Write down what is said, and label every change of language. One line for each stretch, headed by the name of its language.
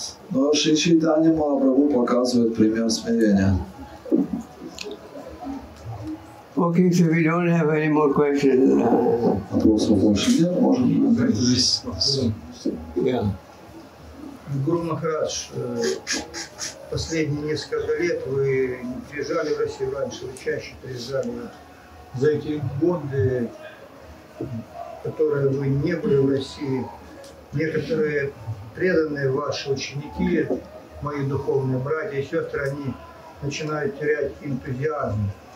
Russian: Но Шри Чайтанья Махапрабху показывает пример смирения.
English: Okay, so we don't have any more questions.
Russian: Вопросов больше нет, можно? Гуру Махарадж, последние несколько лет вы не приезжали в Россию раньше, вы чаще приезжали. За эти годы, которые вы не были в России, некоторые преданные ваши ученики, мои духовные братья и сестры, они начинают терять энтузиазм.